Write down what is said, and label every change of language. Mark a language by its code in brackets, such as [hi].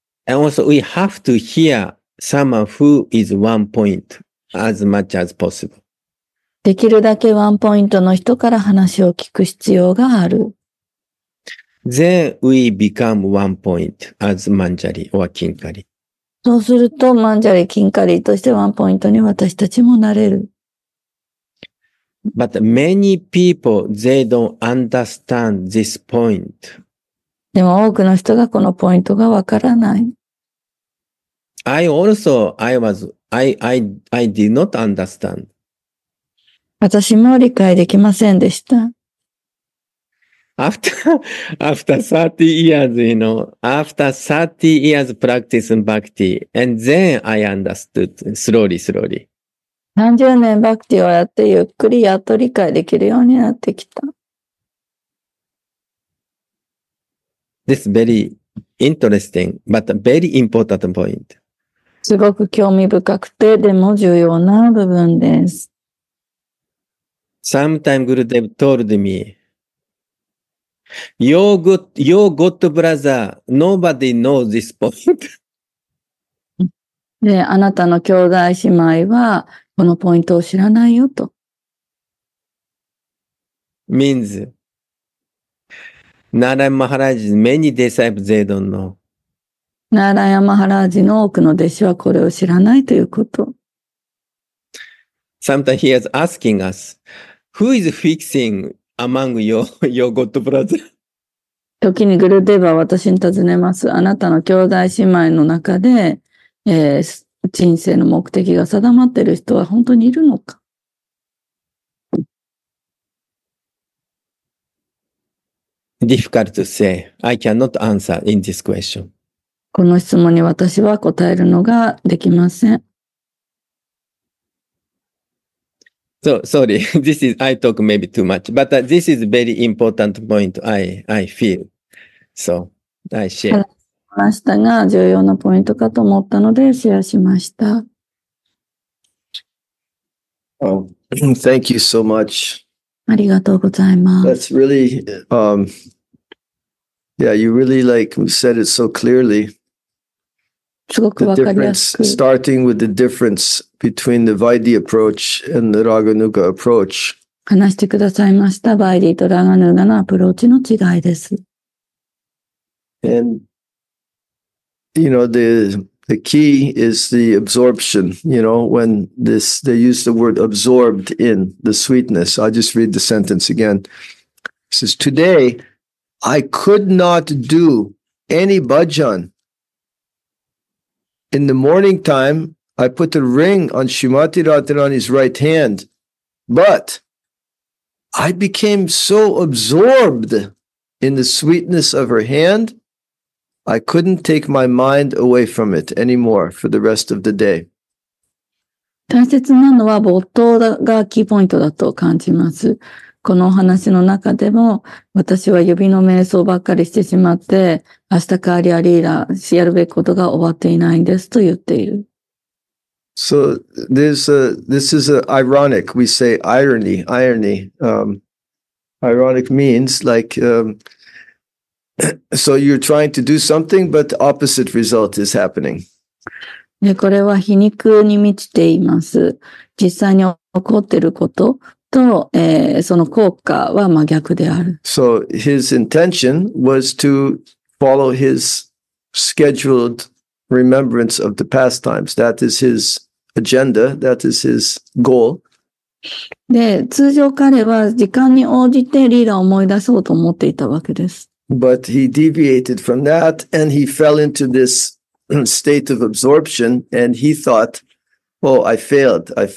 [en] And also, we have to hear someone who is one point as much as possible. [ja] できるだけワンポイントの人から話を聞く必要がある。 [en] Then, we become one point as Manjari or Kinkari. [ja] そうすると、マンジャリ、キンカリとしてワンポイントに私たちもなれる。 [en] But many people, they don't understand this point. [ja] でも多くの人がこのポイントがわからない。 [en] I did not understand. [ja] 私も理解できませんでした。 [en] After 30 years, you know, after 30 years practice in bhakti, and then I understood slowly, slowly. [ja] 何十年バクティをやってゆっくりやっと理解できるようになってきた。 [en] This is very interesting, but a very important point. [ja] すごく興味深くて、でも重要な部分です。 [en] Sometime Gurudev told me, your good brother, nobody knows this point. [ja] で、あなたの兄弟姉妹は、このポイントを知らないよと。 [en] means, ナーラヤマハラージ many disciples they don't know. [ja] ナーラヤマハラージの多くの弟子はこれを知らないということ。 [en] Sometimes he is asking us, who is fixing among your god brother? [ja] 時にグルデヴは私に尋ねます。あなたの兄弟姉妹の中で、人生の目的が定まっている人は本当にいるのか。 [en] Difficult to say. I cannot answer in this question. [ja] この質問に私は答えるのができません。 [en] So sorry, this is I talk maybe too much, but this is very important point. I feel so I share. [ja] ましたが重要なポイントかと思ったのでシェアしました。 [en] Thank you so much. [ja] ありがとうございます。 [en] That's really, yeah, you really like said it so clearly. [ja] すごくわかりやすく。 [en] The difference, starting with the difference between the Vaidhi approach and the Raghunuga approach. [ja] 話してくださいました。バイディとラガヌーガのアプローチの違いです。 [en] And,You know, the key is the absorption, you know, when this, they use the word absorbed in the sweetness. I'll just read the sentence again. It says, today, I could not do any bhajan. In the morning time, I put a ring on Srimati Radharani's right hand, but I became so absorbed in the sweetness of her hand,I couldn't take my mind away from it anymore for the rest of the day. [ja] 大切なのは没頭がキーポイントだと感じます。このお話の中でも私は指の瞑想ばっかりしてしまって明日カーリアリーラしやるべきことが終わっていないんですと言っている。 [en] So this is a ironic. We say irony. Irony. Ironic means like, So you're trying to do something, but the opposite result is happening. [ja] これは皮肉に満ちています。実際に起こっていることと、その効果は真逆である。 [en] So his intention was to follow his scheduled remembrance of the pastimes. That is his agenda. That is his goal. [ja] で、通常彼は時間に応じてリーラを思い出そうと思っていたわけです。 [en] But he deviated from that and he fell into this state of absorption and he thought, oh, I failed.